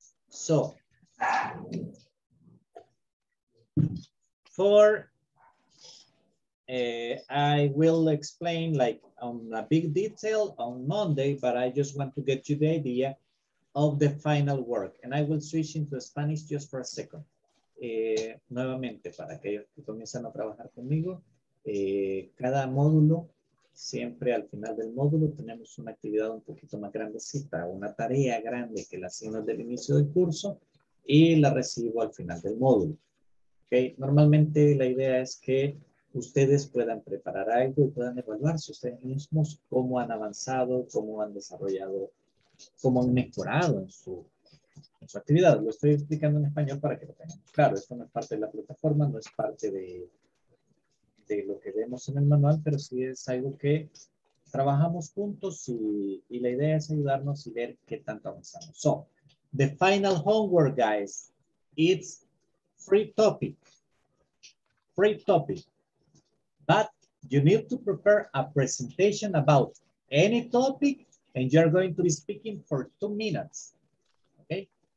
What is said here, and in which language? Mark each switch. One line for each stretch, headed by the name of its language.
English: So, I will explain like on a big detail on Monday, but I just want to get you the idea of the final work. And I will switch into Spanish just for a second.
Spanish: Nuevamente, para aquellos que comienzan a trabajar conmigo, cada módulo, siempre al final del módulo, tenemos una actividad un poquito más grandecita, una tarea grande que la hacemos del inicio del curso y la recibo al final del módulo. Okay. Normalmente la idea es que ustedes puedan preparar algo y puedan evaluarse ustedes mismos cómo han avanzado, cómo han desarrollado, cómo han mejorado en su actividad. Lo estoy explicando en español para que lo tengan. Claro, esto no es parte de la plataforma, no es parte de lo que vemos en el manual, pero sí es algo que trabajamos juntos y la idea es ayudarnos y ver qué tanto avanzamos.
English: So, the final homework, guys, it's free topic. Free topic. But you need to prepare a presentation about any topic, and you're going to be speaking for 2 minutes. Okay,